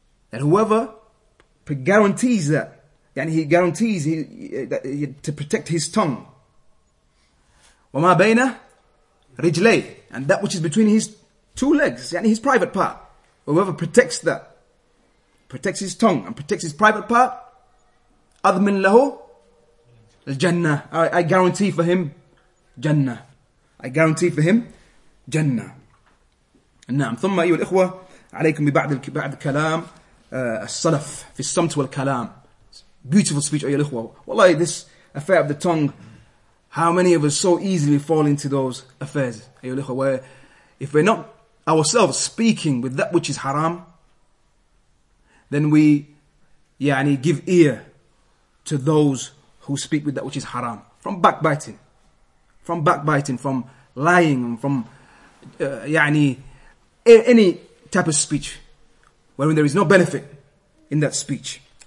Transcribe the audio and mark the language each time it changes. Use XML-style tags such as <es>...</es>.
<en>that whoever guarantees that, يعني he guarantees he to protect his tongue,</en> <ar>وما بين رجلي,</ar> <en>and that which is between his two legs, يعني his private part, whoever protects that, protects his tongue and protects his private part,</en> <ar>أضمن له الجنة,</ar> <en>I guarantee for him جنة, I guarantee for him جنة.</en> <ar>نعم. ثم أيها الإخوة عليكم ببعض الكلام السلف في الصمت والكلام.</ar> <en>Beautiful speech,</en> <ar>أيها الإخوة.</ar> <en>والله, this affair of the tongue, how many of us so easily fall into those affairs,</en> <ar>أيها الإخوة,</ar> <en>where if we're not ourselves speaking with that which is haram, then we يعني give ear to those who speak with that which is haram, from backbiting, from lying, from يعني any type of speech wherein there is no benefit in that speech.</en>